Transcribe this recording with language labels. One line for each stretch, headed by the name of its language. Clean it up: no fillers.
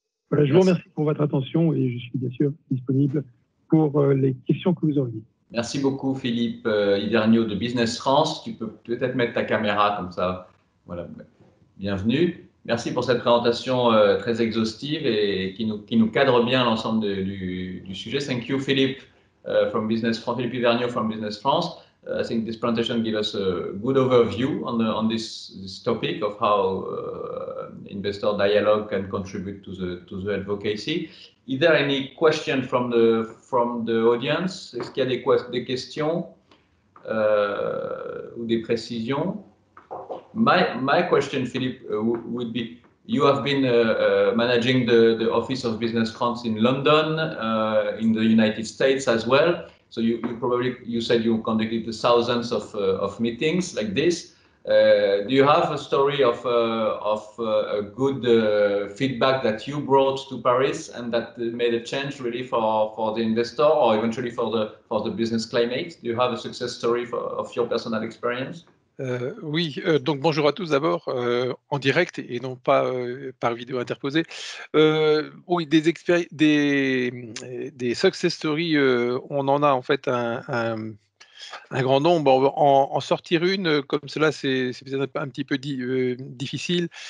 French: Voilà, je vous remercie pour votre attention et je suis bien sûr disponible pour les questions que vous auriez. Merci beaucoup Philippe Hivergnaud de Business France. Tu peux peut-être mettre ta caméra comme ça. Voilà, bienvenue. Merci pour cette présentation très exhaustive et qui nous cadre bien l'ensemble du sujet.
English: Thank you Philippe from Business France. Philippe Hivergnaud from Business France. I think this presentation gave us a good overview on this topic of how investor dialogue can contribute to the advocacy. Is there any question from the audience?
French: Est-ce qu'il y a des questions ou des précisions?
English: My question, Philippe, would be: you have been managing the office of Business France in London, in the United States as well. So you probably said you conducted thousands of meetings like this. Do you have a story of a good feedback that you brought to Paris and that made a change really for the investor or eventually for the business climate? Do you have a success story of your personal experience?
French: Oui, donc bonjour à tous d'abord, en direct et non pas par vidéo interposée. Oui, des success stories, on en a en fait un grand nombre. En sortir une, comme cela, c'est peut-être un petit peu difficile.